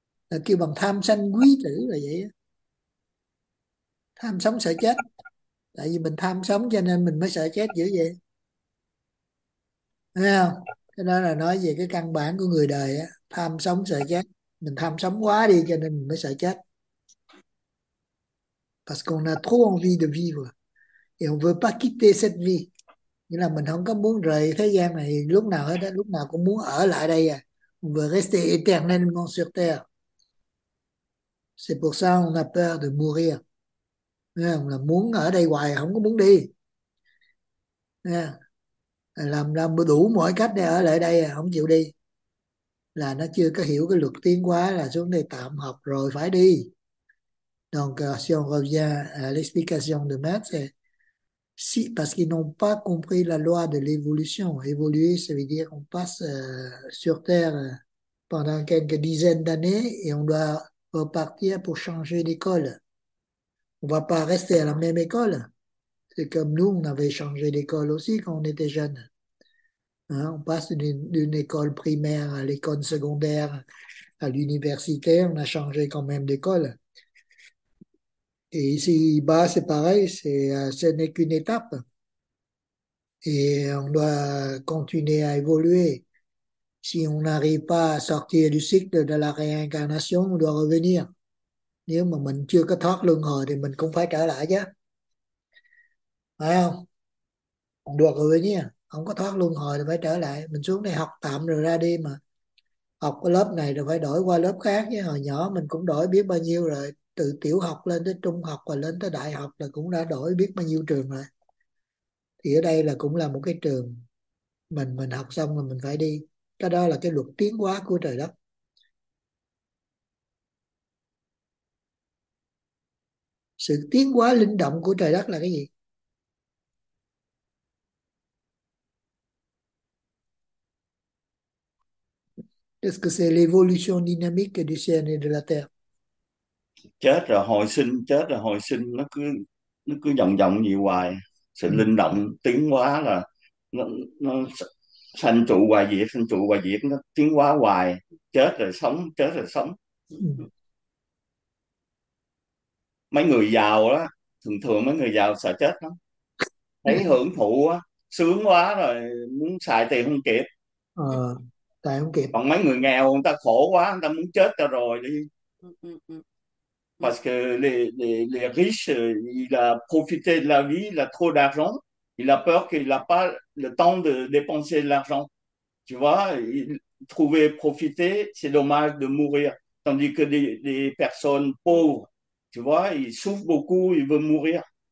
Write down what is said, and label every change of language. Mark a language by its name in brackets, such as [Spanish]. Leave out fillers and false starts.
[Vietnamese] là kêu bằng tham sanh quý tử là vậy. Tham sống sợ chết tại vì mình tham sống cho nên mình mới sợ chết dữ vậy, thấy không? Cái đó là nói về cái căn bản của người đời á, tham sống sợ chết. Mình tham sống quá đi cho nên mình mới sợ chết. [French] Parce qu'on a trop envie de vivre. Et on veut pas quitter cette vie. [Vietnamese] Nghĩa là mình không có muốn rời thế gian này lúc nào hết đó, lúc nào cũng muốn ở lại đây à. [French] On veut rester éternellement sur terre. C'est pour ça on a peur de mourir. [Vietnamese] Là muốn ở đây hoài, không có muốn đi. Làm đủ mọi cách để ở lại đây à, không chịu đi. Là nó chưa có hiểu cái luật tiến hóa là xuống đây tạm học rồi phải đi. [French] Donc, si on revient à l'explication de Maître, si, parce qu'ils n'ont pas compris la loi de l'évolution. Évoluer, ça veut dire qu'on passe sur Terre pendant quelques dizaines d'années et on doit repartir pour changer d'école. On va pas rester à la même école. C'est comme nous, on avait changé d'école aussi quand on était jeune. Hein, on passe d'une école primaire à l'école secondaire, à l'université, on a changé quand même d'école. Et ici, bas, c'est pareil, ce n'est qu'une étape. Et on doit continuer à évoluer. Si on n'arrive pas à sortir du cycle de la réincarnation, on doit revenir. [Vietnamese] Nếu mà mình chưa có thoát luân hồi thì mình cũng phải trở lại chứ. Phải không? Không được rồi nha. Không có thoát luân hồi thì phải trở lại. Mình xuống đây học tạm rồi ra đi mà. Học cái lớp này rồi phải đổi qua lớp khác chứ. Hồi nhỏ mình cũng đổi biết bao nhiêu rồi. Từ tiểu học lên tới trung học và lên tới đại học là cũng đã đổi biết bao nhiêu trường rồi. Thì ở đây là cũng là một cái trường. Mình học xong rồi mình phải đi. Cái đó là cái luật tiến hóa của trời đất. Sự tiến hóa linh động của trời đất là cái gì? [French] Est-ce que c'est l'évolution dynamique du ciel et de la terre? [Vietnamese] Chết rồi hồi sinh, chết rồi hồi sinh, nó cứ vòng vòng nhiều hoài. Sự linh động tiến hóa là nó sanh trụ hoài diệt, sanh trụ hoài diệt, nó tiến hóa hoài, chết rồi sống, chết rồi sống. Mấy người giàu đó, thường thường mấy người giàu sợ chết lắm, thấy hưởng thụ á sướng quá rồi muốn xài tiền không kịp. Tại không kịp. Còn mấy người nghèo, người ta khổ quá, người ta muốn chết cho rồi đi. [French] Parce que les riches, ils ont profité de la vie, ils ont trop d'argent. Ils ont peur qu'ils n'aient pas le temps de dépenser de l'argent. Tu vois, ils trouvaient profiter, c'est dommage de mourir. Tandis que des personnes pauvres, tu vois, ils souffrent beaucoup, ils veulent mourir.